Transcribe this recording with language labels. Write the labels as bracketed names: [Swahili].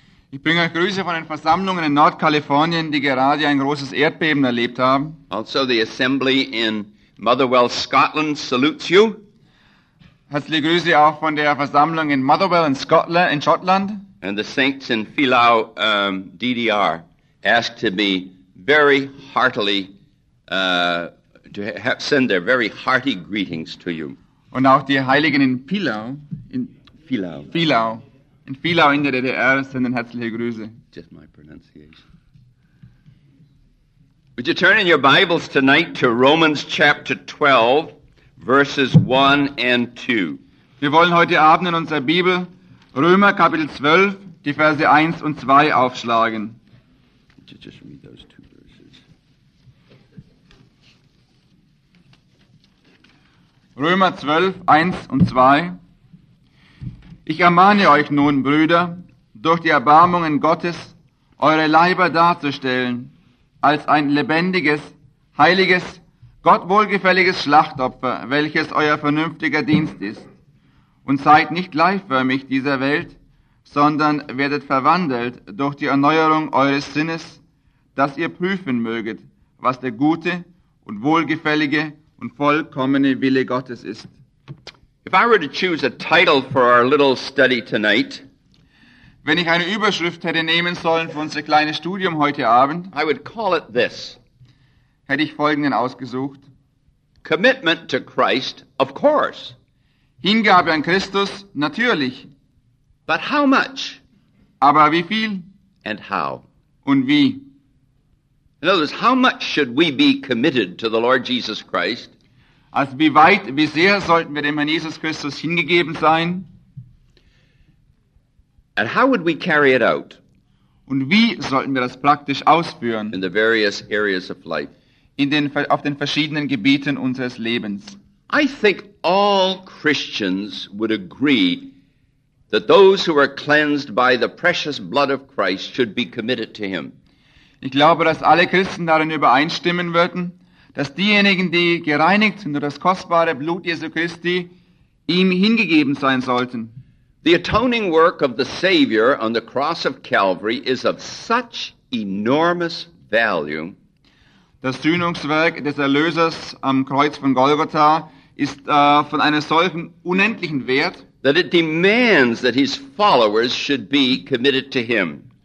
[German] Ich bringe euch Grüße von den Versammlungen in Nordkalifornien, die gerade ein großes Erdbeben erlebt haben. [English] Also the assembly in Motherwell, Scotland salutes you. [German] Herzliche Grüße auch von der Versammlung in Motherwell in Scotland, in Schottland. [English] And the saints in Philau, DDR, ask to be very heartily to have send their very hearty greetings to you. [German] Und auch die Heiligen in Philau, in Philau in der DDR senden herzliche Grüße. [English] Just my pronunciation. Would you turn in your Bibles tonight to Romans chapter 12, verses 1 and 2? [German] Wir wollen heute Abend in unserer Bibel Römer Kapitel 12, die Verse 1 und 2 aufschlagen. [English] Just read those two. [German] Römer 12, 1 und 2. Ich ermahne euch nun, Brüder, durch die Erbarmungen Gottes, eure Leiber darzustellen als ein lebendiges, heiliges, Gott wohlgefälliges Schlachtopfer, welches euer vernünftiger Dienst ist. Und seid nicht gleichförmig dieser Welt, sondern werdet verwandelt durch die Erneuerung eures Sinnes, dass ihr prüfen möget, was der gute und wohlgefällige und vollkommene Wille Gottes ist. [English] If I were to choose a title for our little study tonight, [German] wenn ich eine Überschrift hätte nehmen sollen für unser kleines Studium heute Abend, [English] I would call it this. [German] Hätte ich folgenden ausgesucht. [English] Commitment to Christ, of course. [German] Hingabe an Christus, natürlich. [English] But how much? [German] Aber wie viel? [English] And how? [German] Und wie? [English] In other words, how much should we be committed to the Lord Jesus Christ? [German] Also wie weit, wie sehr sollten wir dem Herrn Jesus Christus hingegeben sein? [English] And how would we carry it out? [German] Und wie sollten wir das praktisch ausführen? [English] In the various areas of life. [German] Auf den verschiedenen Gebieten unseres Lebens. [English] I think all Christians would agree that those who are cleansed by the precious blood of Christ should be committed to him. [German] Ich glaube, dass alle Christen darin übereinstimmen würden, dass diejenigen, die gereinigt sind durch das kostbare Blut Jesu Christi, ihm hingegeben sein sollten. [English] The atoning work of the Savior on the cross of Calvary is of such enormous value. [German] Das Sühnungswerk des Erlösers am Kreuz von Golgatha ist von einem solchen unendlichen Wert, [English] that it demands that his followers should be committed to him.